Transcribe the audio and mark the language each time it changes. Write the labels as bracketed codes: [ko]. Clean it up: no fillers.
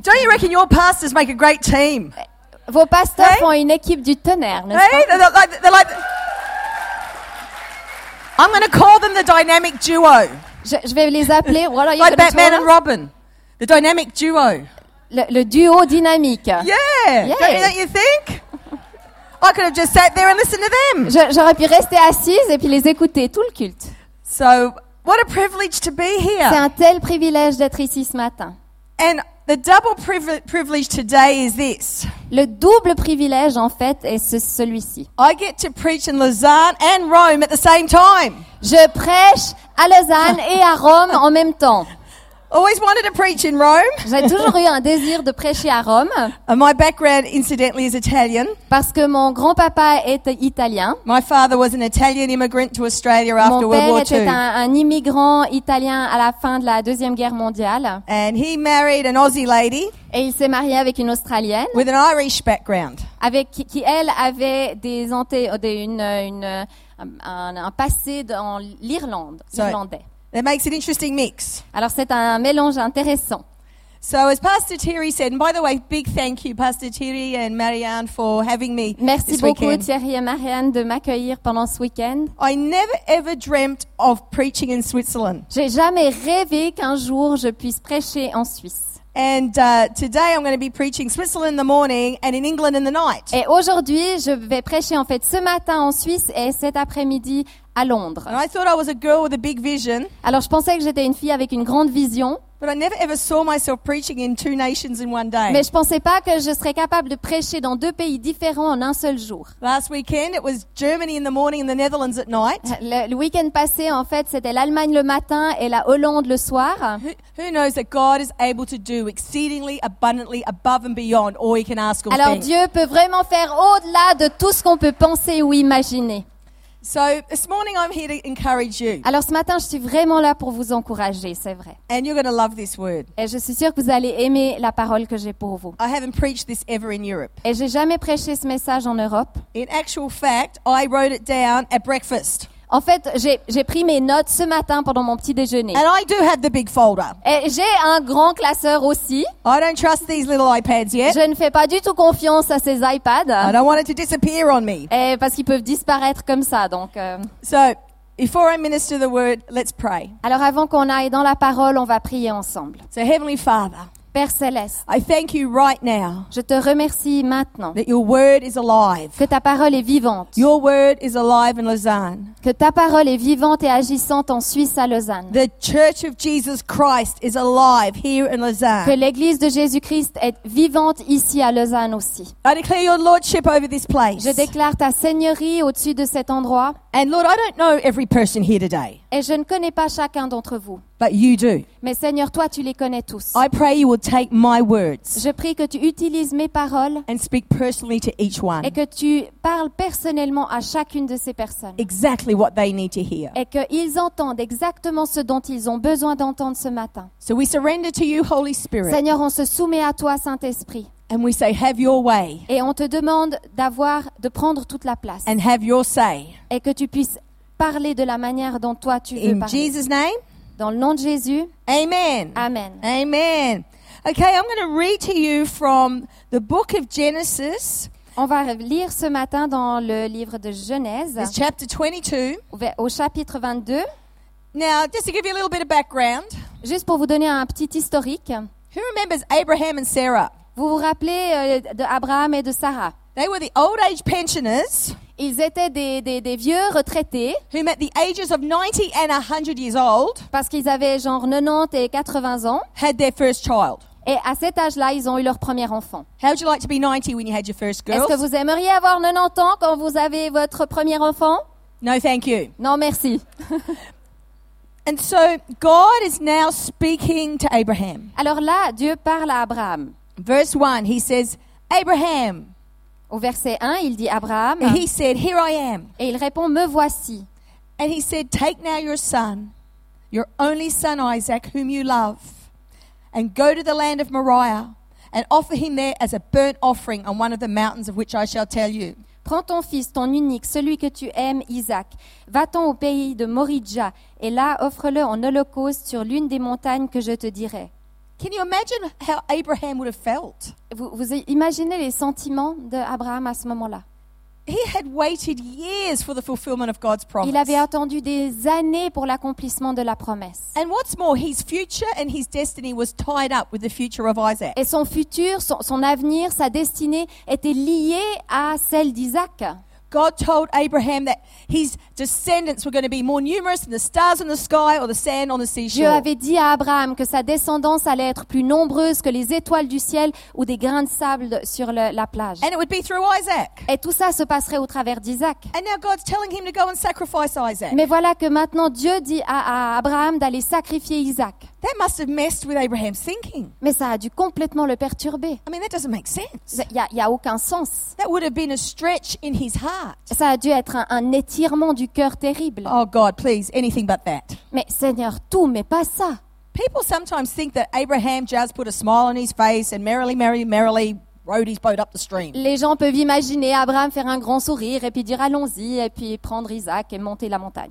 [en] Don't you reckon your pastors make a great team? [fr] Vos pasteurs font une équipe du tonnerre, n'est-ce pas? [en] They're like I'm going to call them the dynamic duo. [fr] Je vais les appeler. [en] Like Batman and Robin, the dynamic duo. [fr] Le duo dynamique. [en] Yeah. Don't you think? I could have just sat there and listened to them. [fr] J'aurais pu rester assise et puis les écouter tout le culte. [en] So, what a privilege to be here. [fr] C'est un tel privilège d'être ici ce matin. [en] And the double privilege today is this. [fr] Le double privilège en fait est celui-ci. [en] I get to preach in Lausanne and Rome at the same time. [fr] Je prêche à Lausanne et à Rome en même temps. [en] Always wanted to preach in Rome. [fr] J'ai toujours eu un désir de prêcher à Rome. [en] And my background, incidentally, is Italian. [fr] Parce que mon grand-papa est italien. [en] My father was an Italian immigrant to Australia after World War II. [fr] Mon père était un immigrant italien à la fin de la Deuxième Guerre mondiale. [en] And he married an Aussie lady. [fr] Et il s'est marié avec une Australienne. [en] With an Irish background. [fr] Avec qui elle avait des un passé dans l'Irlande, irlandais. [en] That makes an interesting mix. [fr] Alors c'est un mélange intéressant. [en] So as Pastor Thierry said, and by the way, big thank you, Pastor Thierry and Marianne, for having me. [fr] Merci [en] this [fr] beaucoup, [en] weekend. [fr] Thierry et Marianne, de m'accueillir pendant ce week-end. [en] I never ever dreamt of preaching in Switzerland. [fr] J'ai jamais rêvé qu'un jour je puisse prêcher en Suisse. [en] And today I'm going to be preaching Switzerland in the morning and in England in the night. [fr] Et aujourd'hui, je vais prêcher en fait ce matin en Suisse et cet après-midi à Londres. [en] And I thought I was a girl with a big vision. [fr] Alors je pensais que j'étais une fille avec une grande vision. [en] But I never ever saw myself preaching in 2 nations in one day. [fr] Mais je pensais pas que je serais capable de prêcher dans 2 pays différents en un seul jour. [en] Last weekend it was Germany in the morning and the Netherlands at night. [fr] Le week-end passé en fait c'était l'Allemagne le matin et la Hollande le soir. [en] Who knows that God is able to do exceedingly abundantly above and beyond all we can ask or [fr] alors [en] think. [fr] Alors Dieu peut vraiment faire au-delà de tout ce qu'on peut penser ou imaginer. [en] So this morning I'm here to encourage you. [fr] Alors ce matin, je suis vraiment là pour vous encourager, c'est vrai. [en] And you're going to love this word. [fr] Et je suis sûre que vous allez aimer la parole que j'ai pour vous. [en] I haven't preached this ever in Europe. [fr] Et j'ai jamais prêché ce message en Europe. [en] In actual fact, I wrote it down at breakfast. [fr] En fait, j'ai pris mes notes ce matin pendant mon petit déjeuner. [en] And I do have the big folder. [fr] Et j'ai un grand classeur aussi. [en] I don't trust these little iPads yet. [fr] Je ne fais pas du tout confiance à ces iPads. [en] I don't want it to disappear on me. [fr] Et parce qu'ils peuvent disparaître comme ça, donc. [en] So, before I minister the word, let's pray. [fr] Alors avant qu'on aille dans la parole, on va prier ensemble. [en] So, Heavenly Father. [fr] Père Céleste, [en] I thank you right now. [fr] Je te remercie maintenant. [en] That your word is alive. [fr] Que ta parole est vivante. [en] Your word is alive in Lausanne. [fr] Que ta parole est vivante et agissante en Suisse à Lausanne. [en] The Church of Jesus Christ is alive here in Lausanne. [fr] Que l'église de Jésus-Christ est vivante ici à Lausanne aussi. [en] I declare your lordship over this place. [fr] Je déclare ta seigneurie au-dessus de cet endroit. [en] And Lord, I don't know every person here today. [fr] Et je ne connais pas chacun d'entre vous. [en] But you do. [fr] Mais Seigneur, toi, tu les connais tous. [en] I pray you will take my words. [fr] Je prie que tu utilises mes paroles. [en] And speak personally to each one. [fr] Et que tu parles personnellement à chacune de ces personnes. [en] Exactly what they need to hear. [fr] Et qu'ils entendent exactement ce dont ils ont besoin d'entendre ce matin. [en] So we surrender to you, Holy Spirit. [fr] Seigneur, on se soumet à toi, Saint-Esprit. [en] And we say, have your way. [fr] Et on te demande d'avoir, de prendre toute la place. [en] And have your say. [fr] Et que tu puisses parler de la manière dont toi tu veux [en] In [fr] parler. [en] Jesus name. [fr] Dans le nom de Jésus. [en] Amen. [fr] Amen. Amen. [en] Okay, I'm going to read to you from the book of Genesis. [fr] On va lire ce matin dans le livre de Genèse. [en] It's chapter 22. [fr] Au chapitre 22. [en] Now, just to give you a little bit of background. [fr] Juste pour vous donner un petit historique. [en] Who remembers Abraham and Sarah? [fr] Vous vous rappelez de Abraham et de Sarah? [en] They were the old age pensioners. [fr] Ils étaient des vieux retraités. [en] Who met the ages of 90 and 100 years old. [fr] Parce qu'ils avaient genre 90 et 80 ans. [en] Had their first child. [fr] Et à cet âge-là, ils ont eu leur premier enfant. [en] How would you like to be 90 when you had your first girl? [fr] Est-ce que vous aimeriez avoir 90 ans quand vous avez votre premier enfant? [en] No, thank you. [fr] Non, merci. [en] And so God is now speaking to Abraham. [fr] Alors là, Dieu parle à Abraham. [en] Verse 1, he says, Abraham. [fr] Au verset 1, il dit Abraham. [en] And he said, here I am. [fr] Et il répond, me voici. [en] And he said, take now your son, your only son Isaac, whom you love, and go to the land of Moriah, and offer him there as a burnt offering on one of the mountains of which I shall tell you. [fr] Prends ton fils, ton unique, celui que tu aimes, Isaac. Va-t'en au pays de Moridja, et là, offre-le en holocauste sur l'une des montagnes que je te dirai. [en] Can you imagine how Abraham would have felt? [fr] Vous imaginez les sentiments d'Abraham à ce moment-là? [en] He had waited years for the fulfillment of God's promise. [fr] Il avait attendu des années pour l'accomplissement de la promesse. [en] And what's more, his future and his destiny was tied up with the future of Isaac. [fr] Et son futur, son avenir, sa destinée était liée à celle d'Isaac. [en] God told Abraham that his descendants were going to be more numerous than the stars in the sky or the sand on the seashore. [fr] Dieu avait dit à Abraham que sa descendance allait être plus nombreuse que les étoiles du ciel ou des grains de sable sur la plage. [en] And it would be through Isaac. [fr] Et tout ça se passerait au travers d'Isaac. [en] And now God's telling him to go and sacrifice Isaac. [fr] Mais voilà que maintenant Dieu dit à Abraham d'aller sacrifier Isaac. [en] That must have messed with Abraham's thinking. [fr] Mais ça a dû complètement le perturber. [en] I mean, that doesn't make sense. [fr] Il y a aucun sens. [en] That would have been a stretch in his heart. [fr] Ça a dû être un étirement du cœur terrible. [en] Oh God, please, anything but that. [fr] Mais Seigneur, tout, mais pas ça. [en] People sometimes think that Abraham just put a smile on his face and merrily, merrily, merrily rowed his boat up the stream. [fr] Les gens peuvent imaginer Abraham faire un grand sourire et puis dire allons-y et puis prendre Isaac et monter la montagne.